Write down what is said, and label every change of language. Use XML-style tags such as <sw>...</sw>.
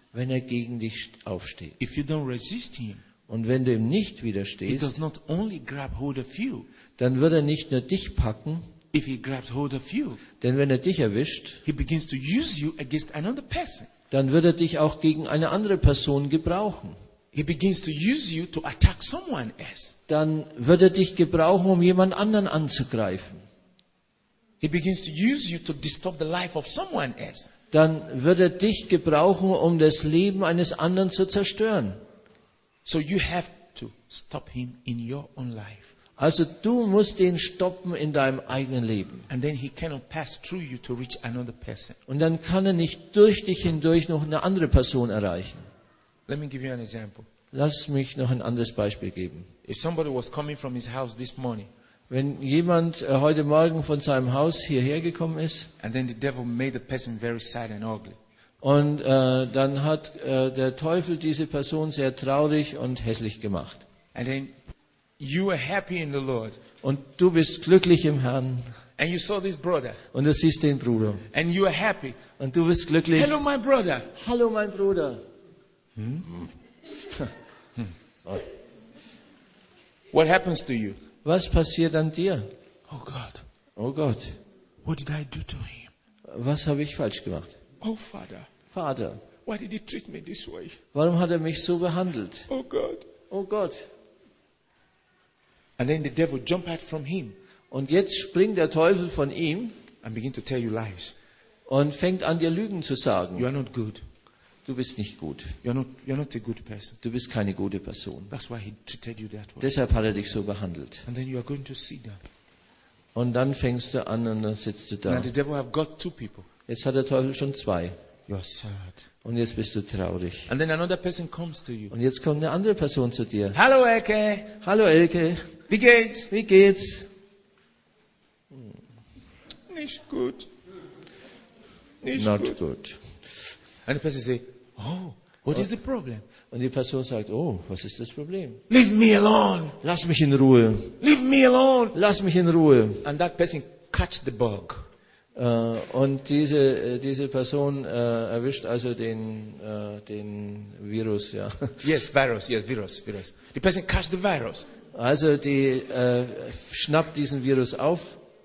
<de>Wenn er gegen dich aufsteht.</de> <en>If you don't resist him.</en> <de>Und wenn du ihm nicht widerstehst,</de> <en>he does not only grab hold of you,</en> <de>dann wird er nicht nur dich packen,</de> <en>if he grabs hold of you,</en> <de>denn wenn er dich erwischt,</de> <en>he begins to use you against another person.</en> <de>Dann wird er dich auch gegen eine andere Person gebrauchen.</de> <en>He begins to use you to attack someone else.</en> <de>Dann wird er dich gebrauchen, um jemand anderen anzugreifen.</de> <en>He begins to use you to disturb the life of someone else.</en> <de>Dann wird er dich gebrauchen, um das Leben eines anderen zu zerstören.</de> <en>So you have to stop him in your own life.</en> <de>Also du musst ihn stoppen in deinem eigenen Leben.</de> <en>And then he cannot pass through you to reach another person.</en> <de>Und dann kann er nicht durch dich hindurch noch eine andere Person erreichen.</de> <en>Let me give you an example.</en> <de>Lass mich noch ein anderes Beispiel geben.</de> <en>If somebody was coming from his house this morning,</en> <de>wenn jemand heute Morgen von seinem Haus hierher gekommen ist,</de> <en>and then the devil made the person very sad and ugly.</en> <de>Und dann hat der Teufel diese Person sehr traurig und hässlich gemacht.</de> <en>And then you are happy in the Lord.</en> <de>Und du bist glücklich im Herrn.</de> <en>And you saw this brother.</en> <de>Und du siehst den Bruder.</de> <en>And you are happy.</en> <de>Und du bist glücklich.</de> <en>Hello, my brother.</en> <de>Hallo, mein Bruder.</de> <en>What happens to you?</en> <de>Was passiert an dir?</de> <en>Oh God.</en> <de>Oh Gott.</de> <en>What did I do to him?</en> <de>Was habe ich falsch gemacht?</de> <en>Oh Father.</en> <de>Vater.</de> <en>Why did he treat me this way?</en> <de>Warum hat er mich so behandelt?</de> <en>Oh God.</en> <de>Oh Gott.</de> <en>And then the devil jump out from him.</en> <de>Und jetzt springt der Teufel von ihm.</de> <en>And begin to tell you lies.</en> <de>Und fängt an dir Lügen zu sagen.</de> <en>You are not good.</en> <de>Du bist nicht gut.</de> <en>You're not a good person.</en> <de>Du bist keine gute Person.</de> <en>That's why he treated you that way.</en> <de>Deshalb hat er dich so behandelt.</de> <en>And then you are going to see them.</en> <de>Und dann fängst du an und dann sitzt du da.</de> <en>Now the devil have got two people.</en> <de>Jetzt hat der Teufel schon zwei.</de> <en>You are sad.</en> <de>Und jetzt bist du traurig.</de> <en>And then another person comes to you.</en> <de>Und jetzt kommt eine andere Person zu dir. Hallo Elke. Hallo Elke. Wie geht's? Wie geht's? Nicht gut.</de> <en>Not good. And the person says, oh, what is the problem?</en> <de>Und die Person sagt, oh, was ist das Problem?</de> <en>Leave me alone.</en> <de>Lass mich in Ruhe.</de> <en>Leave me alone.</en> <de>Lass mich in Ruhe.</de> <en>And that person catch the bug.</en> <de>Und diese Person erwischt also den Virus, ja.</de> <en>Yes, virus, yes, virus, virus. The person catch the virus.</en> <de>Also die schnappt diesen Virus auf.</de>